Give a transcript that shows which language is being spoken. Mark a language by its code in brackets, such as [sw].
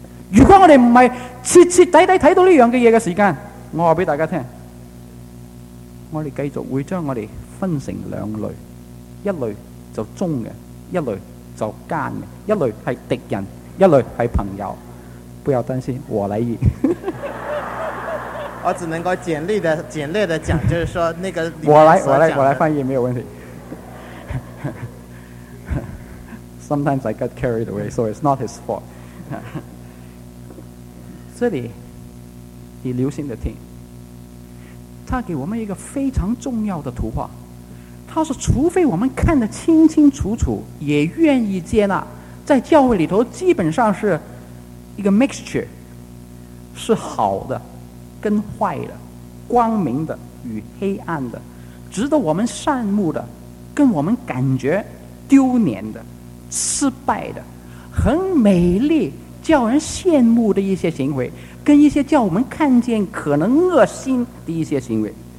[zh] 如果我们不是彻彻底底看到这样的东西的时间，我告诉大家，我们继续会将我们分成两类，一类就忠的，一类就奸的，一类是敌人，一类是朋友。不要担心，我来意。我只能够简略的讲，就是说那个我来翻译没有问题。 [en] Sometimes I get carried away, so it's not his fault. [zh] 这里你留心的听，他给我们一个非常重要的图画。他说，除非我们看得清清楚楚，也愿意接纳，在教会里头基本上是一个 mixture， 是好的跟坏的，光明的与黑暗的，值得我们羡慕的跟我们感觉丢脸的失败的，很美丽叫人羡慕的一些行为，跟一些叫我们看见可能恶心的一些行为。